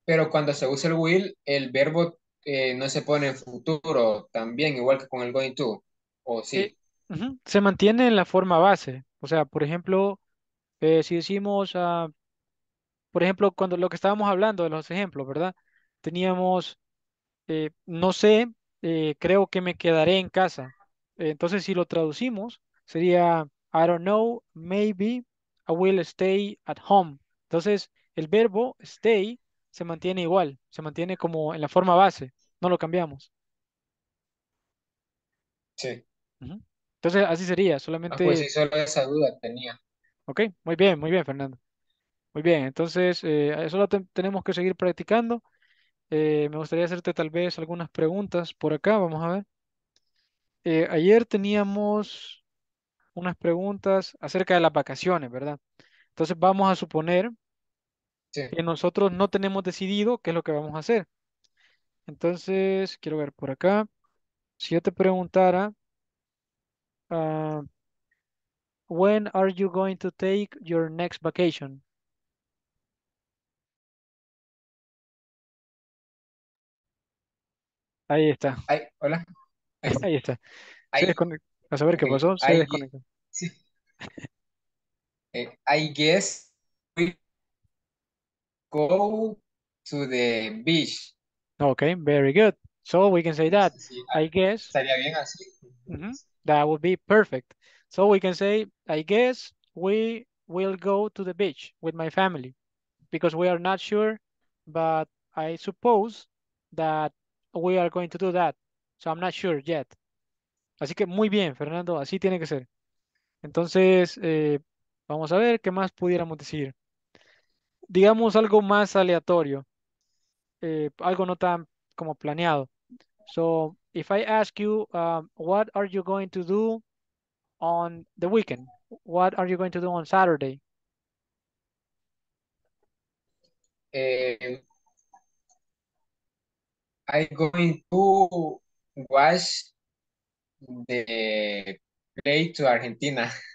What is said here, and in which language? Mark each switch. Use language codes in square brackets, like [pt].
[es] cuando se usa el will, el verbo no se pone en futuro también, igual que con el going to, o sí. Se mantiene en la forma base. O sea, por ejemplo, si decimos, por ejemplo, cuando lo que estábamos hablando de los ejemplos, ¿verdad? Teníamos, no sé, creo que me quedaré en casa. Entonces, si lo traducimos, sería, [en] I don't know, maybe I will stay at home. [es] Entonces, el verbo stay se mantiene igual, se mantiene como en la forma base, no lo cambiamos. Sí. Entonces, así sería, Ah, pues sí, solamente. solo esa duda tenía. Ok, muy bien, Fernando. Muy bien, entonces, solo tenemos que seguir practicando. Me gustaría hacerte tal vez algunas preguntas por acá, vamos a ver. Ayer teníamos unas preguntas acerca de las vacaciones, ¿verdad? Entonces vamos a suponer que nosotros no tenemos decidido qué es lo que vamos a hacer. Entonces, quiero ver por acá. Si yo te preguntara, [en] when are you going to take your next vacation? [es] Ahí está. Ay, hola. Ahí está. Se [en] I, [es] desconectó. A saber qué [en] okay. [es] pasó, se desconectó. Sí. [en] I guess we go to the beach. Okay, very good. So we can say that. I guess [es] estaría bien así. [en] that would be perfect. So we can say, I guess we will go to the beach with my family because we are not sure, but I suppose that we are going to do that. So I'm not sure yet. [es] Así que muy bien, Fernando, así tiene que ser. Entonces, vamos a ver qué más pudiéramos decir. Digamos algo más aleatorio, algo no tan como planeado. [en] So, if I ask you, what are you going to do on the weekend? What are you going to do on Saturday? I'm going to watch the play to Argentina.